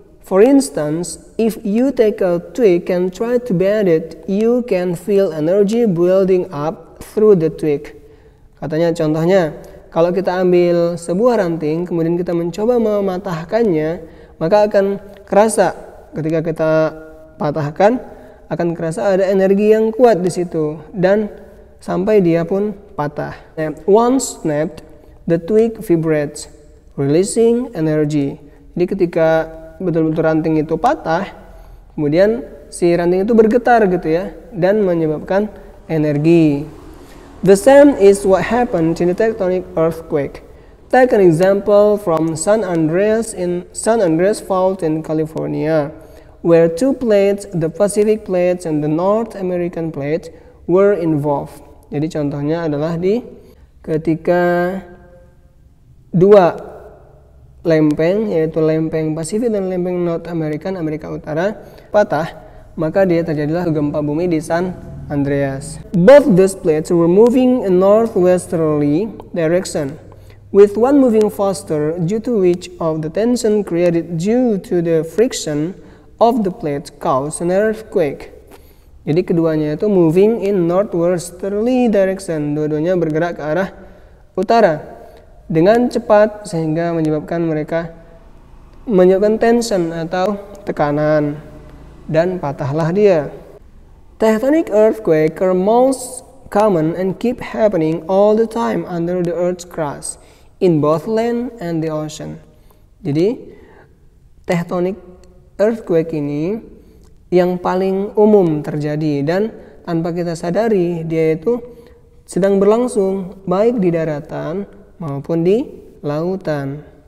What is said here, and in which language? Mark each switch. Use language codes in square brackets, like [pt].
[en] For instance, if you take a twig and try to bend it, you can feel energy building up through the twig. [id] Katanya contohnya, kalau kita ambil sebuah ranting kemudian kita mencoba mematahkannya, maka akan kerasa ketika kita patahkan, akan kerasa ada energi yang kuat di situ dan sampai dia pun patah. [en] Once snapped, the twig vibrates, releasing energy. [id] Jadi ketika betul-betul ranting itu patah, kemudian si ranting itu bergetar gitu ya, dan menyebabkan energi. [en] The same is what happened in the tectonic earthquake. Take an example from San Andreas in San Andreas Fault in California, where two plates, the Pacific plate and the North American plate, were involved. [id] Jadi contohnya adalah di ketika dua lempeng, yaitu lempeng Pasifik dan lempeng North American, Amerika Utara, patah, maka dia terjadilah gempa bumi di San Andreas. [en] Both these plates were moving in northwesterly direction, with one moving faster due to which of the tension created due to the friction of the plate caused an earthquake. [id] Jadi keduanya itu [en] moving in northwesterly direction, [id] dua-duanya bergerak ke arah utara dengan cepat sehingga menyebabkan mereka menyebabkan tension atau tekanan dan patahlah dia. [en] Tectonic earthquakes are most common and keep happening all the time under the earth's crust in both land and the ocean. [id] Jadi tectonic earthquake ini yang paling umum terjadi dan tanpa kita sadari dia itu sedang berlangsung baik di daratan maupun di lautan.